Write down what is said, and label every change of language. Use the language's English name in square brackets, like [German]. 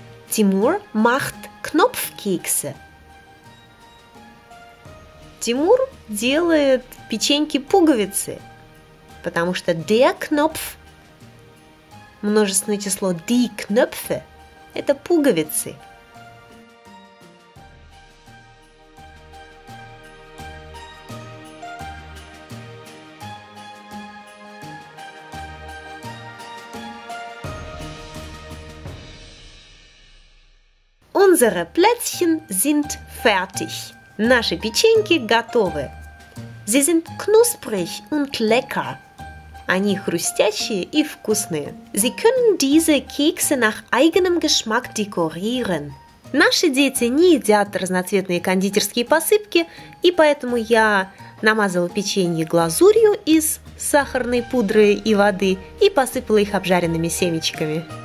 [German] Тимур macht Knopfkekse. [Russian] Тимур делает печеньки-пуговицы, потому что [German] der Knopf, [Russian] множественное число [German] die Knöpfe, [Russian] это пуговицы. [German] Unsere Plätzchen sind fertig. [Russian] Наши печеньки готовы. [German] Sie sind knusprig und lecker. [Russian] Они хрустящие и вкусные. [German] Sie können diese Kekse nach eigenem Geschmack dekorieren. [Russian] Наши дети не едят разноцветные кондитерские посыпки, и поэтому я намазала печенье глазурью из сахарной пудры и воды и посыпала их обжаренными семечками.